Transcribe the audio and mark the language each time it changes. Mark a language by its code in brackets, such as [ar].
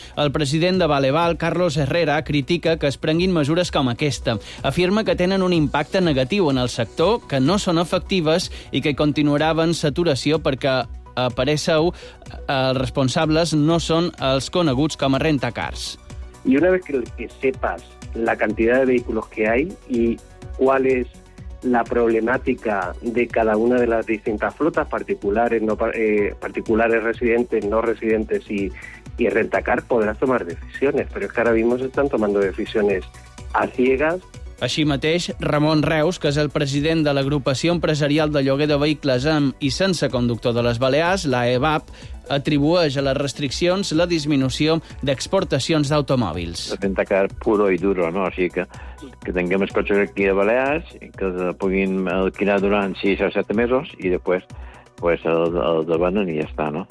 [ca] El president de Valeval, Carlos Herrera, critica que es prenguin mesures com aquesta. Afirma que tenen un impacte negatiu en el sector, que no són efectives i que continuarà havent saturació perquè, a parer seu, els responsables no són els coneguts com a rentacars. [es] Y una vez que sepas la cantidad de vehículos que hay y cuál es la problemática de cada una de las distintas flotas, particulares, residentes, no residentes y rentacar, podrás tomar decisiones, pero es que ahora mismo se están tomando decisiones a ciegas. [ca] Així mateix, Ramon Reus, que és el president de l'Agrupació Empresarial de Lloguer de Vehicles amb i sense conductor de les Balears, la EVAP, atribueix a les restriccions la disminució d'exportacions d'automòbils. [es] El rentacar puro y duro, ¿no? [ca] O sigui que tinguem els cotxes aquí de Balears, que puguin alquilar durant 6 o 7 mesos i després pues, el devenen i ja està, ¿no?